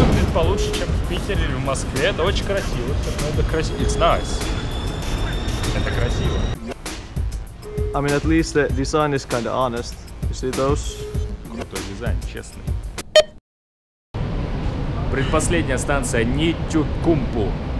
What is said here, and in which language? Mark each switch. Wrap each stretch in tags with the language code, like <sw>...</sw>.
<ru>Это очень красиво, это красиво.</ru> <en>It's nice.</en> <ru>Это красиво.</ru> <en>I mean, at least the design is kind of honest. You see those?</en> <ru>Крутой дизайн, честный. Предпоследняя станция Нитюкумпу.</ru>